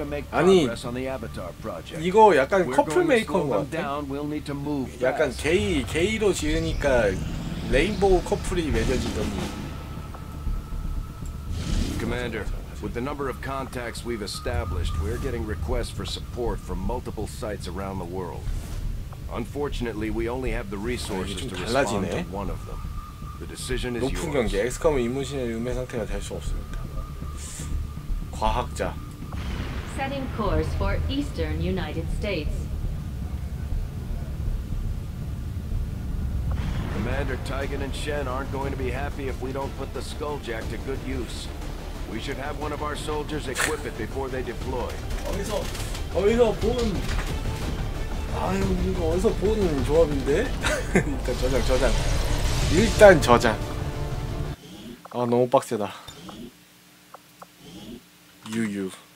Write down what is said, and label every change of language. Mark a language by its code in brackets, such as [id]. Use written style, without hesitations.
[ko] 아니, 이거 약간 커플 메이커인 것 같아. 약간 게이로 지으니까 레인보우 커플이 맺어지더니. [en] Commander. With the number of contacts we've established, we're getting requests for support from multiple sites around the world. Unfortunately, we only have the resources to respond to one of them. The decision is yours. [ko] 높은 경계, 엑스컴 임무신의 음해 상태가 될 수 없습니다. 과학자. [en] Setting course for Eastern United States. Commander Tigan and Shen aren't going to be happy if we don't put the Skulljack to good use. We should have one of our soldiers equip it before they deploy. [ko] 어디서 본? 아유, 이거 어디서 본 조합인데? 일단 저장. 일단 저장. 아, 너무 빡세다. 유유.